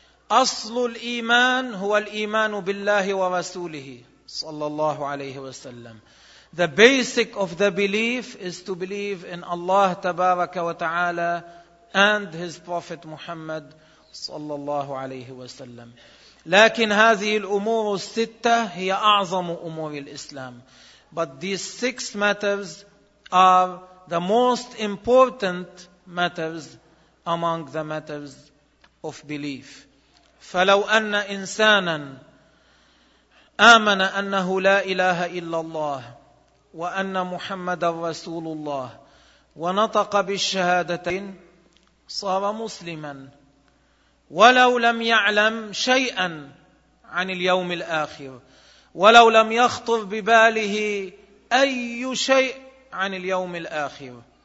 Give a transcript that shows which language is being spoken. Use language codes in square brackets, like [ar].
[ar] أصل الإيمان هو الإيمان بالله ورسوله صلى الله عليه وسلم. [en] The basic of the belief is to believe in Allah Tabaraka wa Ta'ala and His Prophet Muhammad صلى الله عليه وسلم. [ar] لكن هذه الأمور الستة هي أعظم أمور الإسلام. [en] But these six matters are the most important matters among the matters of belief. [ar] فلو أن إنسانا آمن أنه لا إله إلا الله وأن محمد رسول الله ونطق بالشهادتين صار مسلما ولو لم يعلم شيئا عن اليوم الآخر ولو لم يخطر بباله أي شيء عن اليوم الآخر